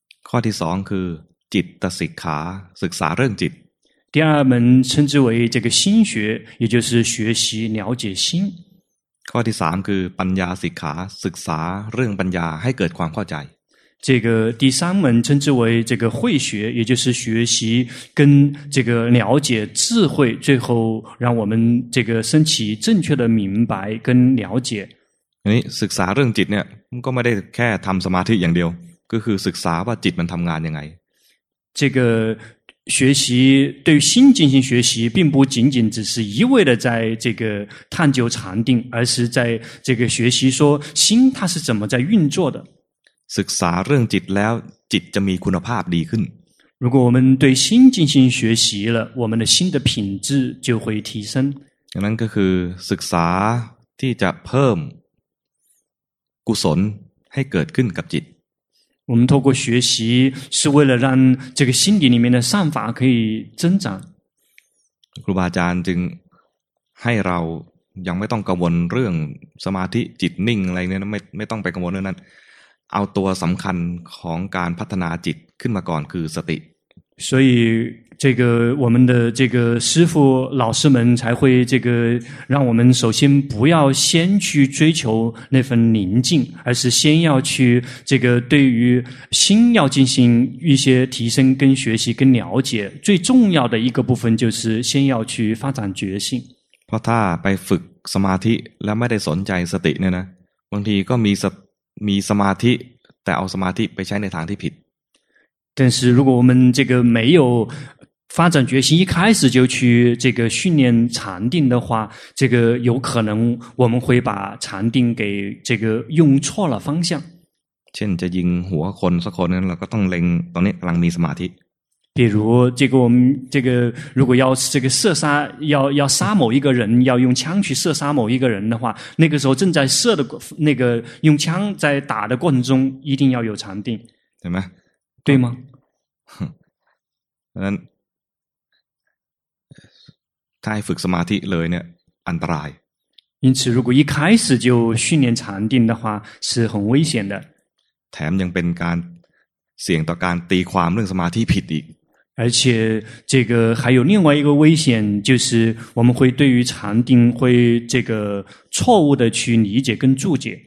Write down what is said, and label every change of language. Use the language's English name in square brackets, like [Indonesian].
[Thai] ข้อที่สองคือจิตตสิกขาศึกษาเรื่องจิต [Chinese] 第二门称之为这个心学也就是学习了解心 [Thai] ข้อที่สามคือปัญญาสิกขาศึกษาเรื่องปัญญาให้เกิดความเข้าใจ [Chinese] 这个第三门称之为这个慧学，也就是学习跟这个了解智慧，最后让我们这个升起正确的明白跟了解。 [Thai] นี้ศึกษาเรื่องจิตเนี่ยมันก็ไม่ได้แค่ทําสมาธิอย่างเดียวก็คือศึกษาว่าจิตมันทํางานยังไง [Chinese] 这个学习对心进行学习并不仅仅只是一味的在这个探究禅定而是在这个学习说心它是怎么在运作的 [Thai] ศึกษาเรื่องจิตแล้วจิตจะมีคุณภาพดีขึ้น [Chinese] 如果我们对心进行学习了我们的心的品质就会提升 [Thai] ฉะนั้นก็คือศึกษาที่จะเพิ่มกุศลให้เกิดขึ้นกับจิต [Chinese] 我们透过学习是为了让这个心底里面的善法可以增长 [Thai] ครูบาอาจารย์จึงให้เรายังไม่ต้องกังวลเรื่องสมาธิจิตนิ่งอะไรเนี่ยไม่ต้องไปกังวลเรื่องนั้นเอาตัวสำคัญของการพัฒนาจิตขึ้นมาก่อนคือสติ [Chinese] 所以这个我们的这个师父老师们才会这个让我们首先不要先去追求那份宁静而是先要去这个对于心要进行一些提升跟学习跟了解最重要的一个部分就是先要去发展觉性 [Thai] เพราะถ้าไปฝึกสมาธิแล้วไม่ได้สนใจสติเนี่ยนะบางทีก็มีสมาธิแต่เอาสมาธิไปใช้ในทางที่ผิด แต่ [Chinese] 如果我们这个没有发展决心一开始就去这个训练禅定的话这个有可能我们会把禅定给这个用错了方向 [Thai] เช่นจะยิงหัวคนสักคนนั้นเราก็ต้องเล็งตอนนี้กำลังมีสมาธิ [Chinese] 比如这个我们这个如果要这个射杀要杀某一个人要用枪去射杀某一个人的话那个时候正在射的那个用枪在打的过程中一定要有禅定对吗对吗 [Thai] 哼ถ้าให้ฝึกสมาธิเลยเนี่ยอันตราย [Chinese] 因此如果一开始就训练禅定的话是很危险的 [Thai] แถมยังเป็นการเสี่ยงต่อการตีความเรื่องสมาธิผิดอีก [Chinese] 而且这个还有另外一个危险就是我们会对于禅定会这个错误的去理解跟注解